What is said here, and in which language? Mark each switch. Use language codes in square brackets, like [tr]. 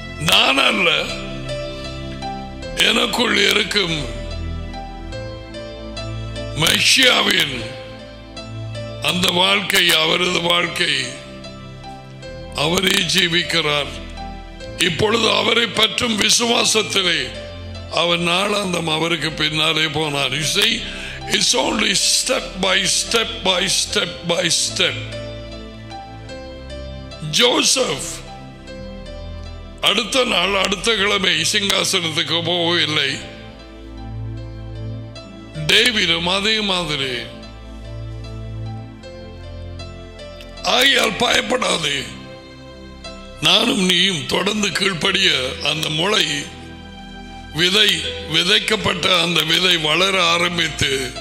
[ta] நான் அல்ல, எனக்குள் இருக்கும் மெஷியாவின் அந்த வாழ்க்கை, அவரது வாழ்க்கை, அவரே ஜீவிக்கிறார். இப்பொழுது அவரை பற்றும் விசுவாசத்திலே அவன் நாளாந்தம் அவருக்கு பின்னாலே போனார். [en] You see, it's only step by step by step by step. [ta] Joseph அடுத்த நாள் அடுத்த கிழமை சிங்காசனத்துக்கு போகவில்லை. டேவிடும் அதே மாதிரி. ஆகையால் பயப்படாதே, நானும் நீயும் தொடர்ந்து கீழ்ப்படிய அந்த முளை விதை விதைக்கப்பட்ட அந்த விதை வளர ஆரம்பித்து